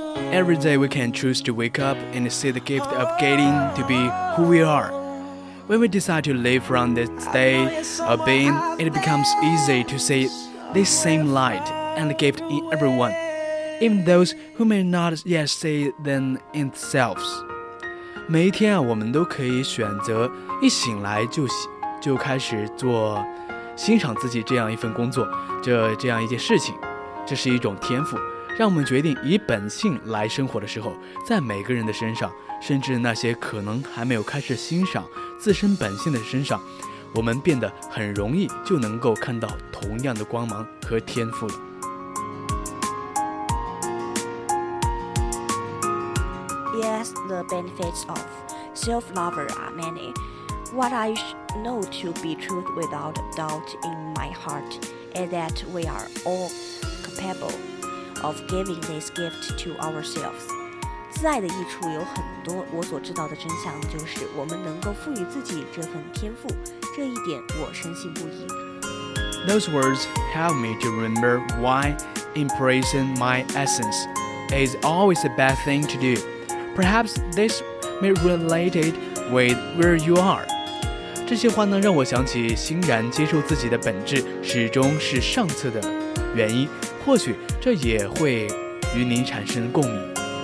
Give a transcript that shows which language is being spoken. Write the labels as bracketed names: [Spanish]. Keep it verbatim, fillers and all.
[English] Every day we can choose to wake up and see the gift of getting to be who we are. When we decide to live from this day of being, it becomes easy to see this same light and gift in everyone, even those who may not yet see them in themselves. [Chinese] 每一天啊，我们都可以选择一醒来就就开始做欣赏自己这样一份工作，这这样一件事情，这是一种天赋。让我们决定以本性来生活的时候，在每个人的身上，甚至那些可能还没有开始欣赏自身本性的身上，我们变得很容易就能够看到同样的光芒和天赋了。 [English] Yes, the benefits of self-love are many. What I know to be truth without doubt in my heart is that we are all capable. of giving this gift to ourselves. [Chinese] 自爱的益处有很多，我所知道的真相就是我们能够赋予自己这份天赋，这一点我深信不疑。 [English] Those words help me to remember why embracing my essence is always a bad thing to do. Perhaps this may relate it with where you are. [Chinese] 这些话呢，让我想起欣然接受自己的本质始终是上策的原因，或许这也会与您产生共鸣。